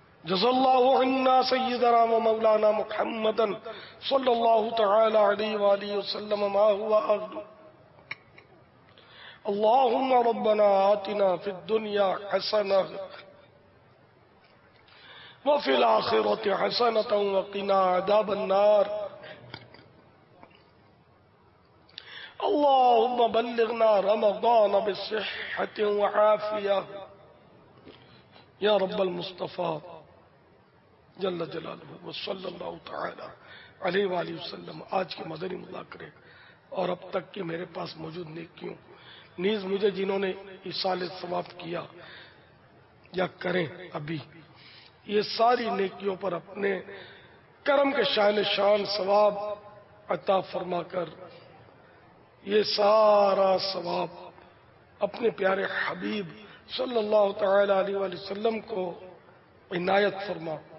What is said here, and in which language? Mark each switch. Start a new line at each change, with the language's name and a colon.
Arabic: جزا اللہ عنا سیدنا و مولانا محمدا صلی اللہ تعالی علیہ وآلہ وسلم ما هو اغلو. اللہم ربنا آتنا فی الدنیا حسنة وفی الآخرة حسنة وقنا عذاب النار. اللہم بلغنا رمضان بالصحة وعافية یا رب المصطفیٰ جل جلالہ وصلی اللہ تعالی علیہ وآلہ وسلم.
Urdu: آج کے مدنی مذاکرے اور اب تک کے میرے پاس موجود نیکیوں، نیز مجھے جنہوں نے ایصال ثواب کیا یا کریں ابھی، یہ ساری نیکیوں پر اپنے کرم کے شاہل شان ثواب عطا فرما کر یہ سارا ثواب اپنے پیارے حبیب صلی اللہ تعالی علیہ وآلہ وسلم کو عنایت فرما.